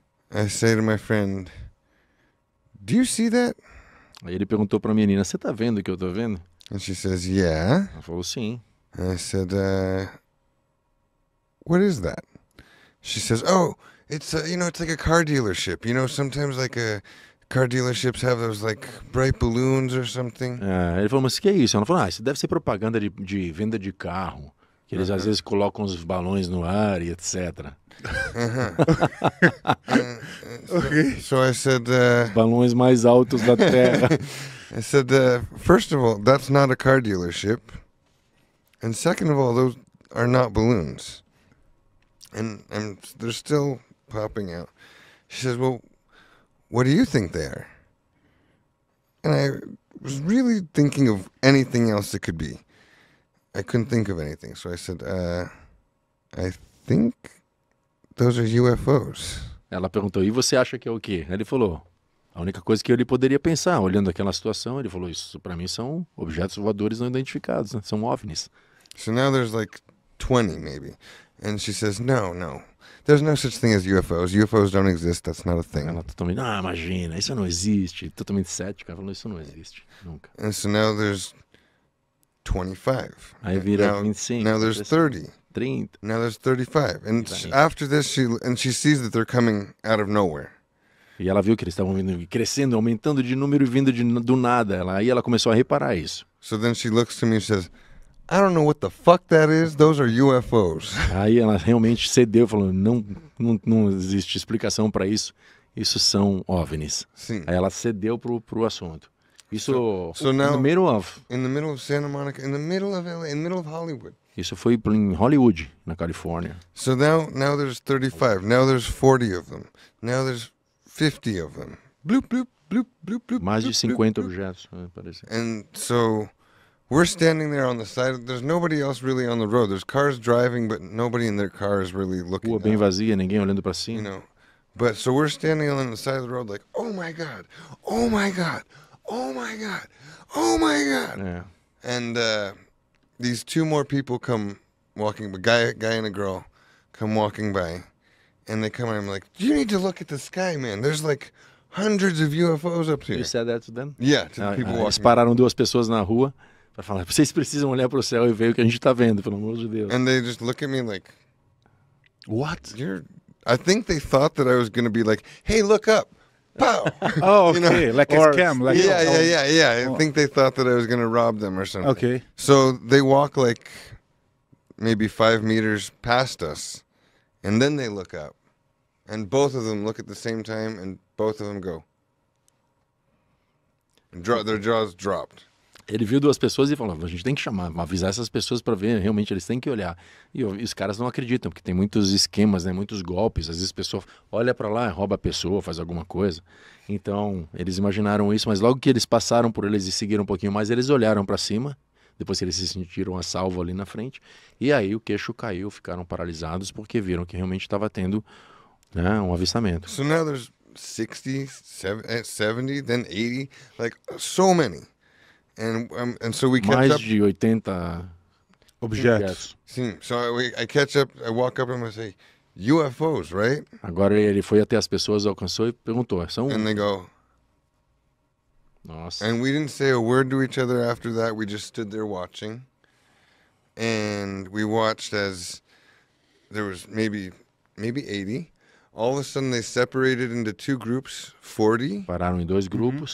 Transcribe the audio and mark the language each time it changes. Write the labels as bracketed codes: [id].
[en] I say to my friend, do you see that? [pt] Aí ele perguntou para a menina, você está vendo o que eu estou vendo? [en] And she says, yeah. [pt] Ela falou, sim. [en] And I said, what is that? She says, oh, it's a, you know, it's like a car dealership. You know, sometimes like a car dealerships have those like bright balloons or something. [pt] Ele falou, mas o que é isso? Ela falou, ah, isso deve ser propaganda de venda de carro. Que eles às vezes colocam os balões no ar e etc. [en] Okay. So I said, [pt] balões mais altos da Terra. [en] I said, first of all, that's not a car dealership. And second of all, those are not balloons. And they're still popping out. She says, well, what do you think they are? And I was really thinking of anything else it could be. I couldn't think of anything, so I said, I think those are UFOs. [pt] Ela perguntou, e você acha que é o quê? Ele falou, a única coisa que ele poderia pensar, olhando aquela situação, ele falou, isso para mim são objetos voadores não identificados, né? São OVNIs. [en] So now there's like 20, maybe. And she says, no. There's no such thing as UFOs. UFOs don't exist. That's not a thing. [pt] Ela totalmente, ah, imagina, isso não existe. Totalmente cética, ela falou, isso não existe, nunca. [en] And so now there's 25. [pt] Aí vira 25. [en] Now there's 30. Now there's 35. And after this, she sees that they're coming out of nowhere. [pt] E ela viu que eles estavam crescendo, aumentando de número e vindo do nada. Aí ela começou a reparar isso. [en] So then she looks to me and says, I don't know what the fuck that is. Those are UFOs. [pt] Aí ela realmente cedeu, falou, não existe explicação para isso. Isso são OVNIs. Sim. Aí ela cedeu pro assunto. Isso [en] In the middle of Santa Monica, in the middle of LA, in the middle of Hollywood. [pt] Isso foi em Hollywood, na Califórnia. [en] So now there's 35. Now there's 40 of them. Now there's 50 of them. Bloop, bloop, bloop, bloop, bloop. [pt] Mais de 50 objetos, parece. [en] And so we're standing there on the side. There's nobody else really on the road. There's cars driving, but nobody in their car is really looking. [pt] Rua bem vazia, ninguém olhando para cima. [en] You know. But so we're standing on the side of the road like, "Oh my god. Oh my god. Oh my god. Oh my god." Yeah. And these two more people come walking, a guy and a girl come walking by, and they come and I'm like, you need to look at the sky, man. There's like hundreds of UFOs up here. You said that to them? Yeah, to the people walking. [pt] Eles pararam duas pessoas na rua para falar, vocês precisam olhar para o céu e ver o que a gente tá vendo, pelo amor de Deus. [en] And they just look at me like, what? I think they thought that I was going to be like, hey, look up. Pow! Oh, okay, you know? Like or, his cam. Like, I think they thought that I was going to rob them or something. Okay. So they walk like maybe 5 meters past us, and then they look up, and both of them look at the same time, and both of them go. And their jaws dropped. [pt] Ele viu duas pessoas e falou, a gente tem que chamar, avisar essas pessoas para ver, realmente eles têm que olhar. E os caras não acreditam, porque tem muitos esquemas, né, muitos golpes. Às vezes a pessoa olha para lá, rouba a pessoa, faz alguma coisa. Então, eles imaginaram isso, mas logo que eles passaram por eles e seguiram um pouquinho mais, eles olharam para cima, depois que eles se sentiram a salvo ali na frente. E aí o queixo caiu, ficaram paralisados, porque viram que realmente estava tendo, né, um avistamento. [en] So now there's 60, 70, then 80, like so many. And so we catch [pt] up. Mais de 80 objetos. [en] Sim. So I catch up, I walk up and I say, UFOs, right? [pt] Agora ele foi até as pessoas, alcançou e perguntou, são [en] And they go. [pt] Nossa. [en] And we didn't say a word to each other after that. We just stood there watching. And we watched as there was maybe 80. All of a sudden they separated into two groups, 40. [pt] Pararam em dois grupos.